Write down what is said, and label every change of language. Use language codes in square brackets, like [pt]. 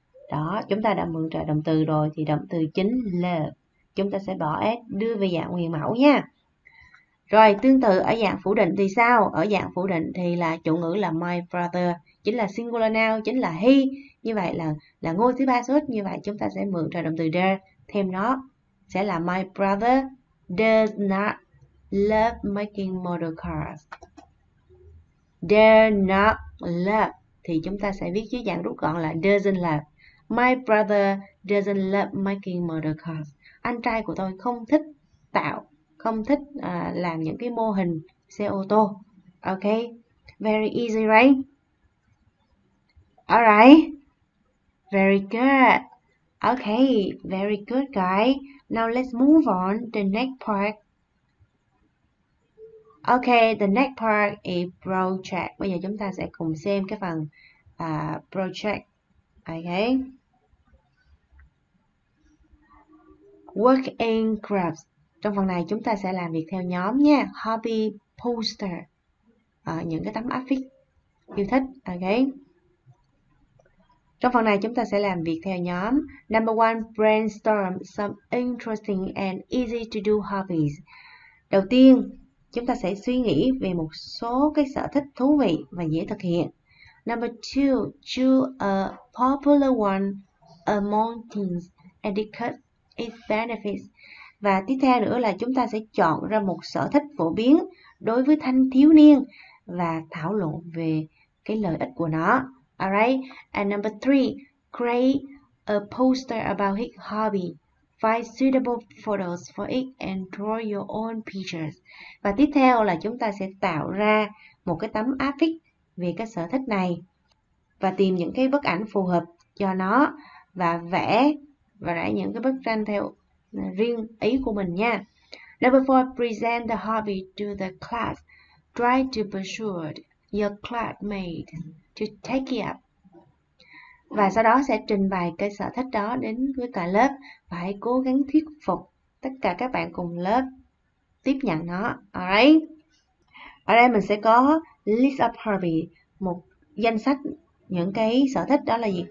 [vi] Đó, chúng ta đã mượn trợ động từ rồi thì động từ chính love. Chúng ta sẽ bỏ s, đưa về dạng nguyên mẫu nha. Rồi, tương tự ở dạng phủ định thì sao? Ở dạng phủ định thì là chủ ngữ là my brother, chính là singular noun, chính là he. Như vậy là ngôi thứ ba số ít. Như vậy chúng ta sẽ mượn trợ động từ dare thêm nó. Sẽ là [en] my brother does not love making model cars. Dare not love. [vi] Thì chúng ta sẽ viết dưới dạng rút gọn là doesn't love. [en] My brother doesn't love making model cars. [vi] Anh trai của tôi không thích tạo, không thích làm những cái mô hình xe ô tô. [en] Ok, very easy, right? Alright, very good. Ok, very good, guys. Now let's move on to the next part. Ok, the next part is project. [vi] Bây giờ chúng ta sẽ cùng xem cái phần project. Ok. [en] Work in groups. [vi] Trong phần này chúng ta sẽ làm việc theo nhóm nha. [en] Hobby poster. [vi] Những cái tấm áp phích yêu thích. Ok. Trong phần này chúng ta sẽ làm việc theo nhóm. [en] Number one, brainstorm some interesting and easy to do hobbies. [vi] Đầu tiên, chúng ta sẽ suy nghĩ về một số cái sở thích thú vị và dễ thực hiện. [en] Number two, choose a popular one among teens and discuss its benefits. [vi] Và tiếp theo nữa là chúng ta sẽ chọn ra một sở thích phổ biến đối với thanh thiếu niên và thảo luận về cái lợi ích của nó. [en] Alright, and number three, create a poster about his hobby. Find suitable photos for it and draw your own pictures. [vi] Và tiếp theo là chúng ta sẽ tạo ra một cái tấm áp phích về cái sở thích này và tìm những cái bức ảnh phù hợp cho nó và vẽ những cái bức tranh theo riêng ý của mình nha. [en] Number four, present the hobby to the class. Try to persuade your classmate to take it up. [vi] Và sau đó sẽ trình bày cái sở thích đó đến với cả lớp và hãy cố gắng thuyết phục tất cả các bạn cùng lớp tiếp nhận nó. Alright. Ở đây mình sẽ có [en] list of hobby, [vi] một danh sách những cái sở thích đó là gì?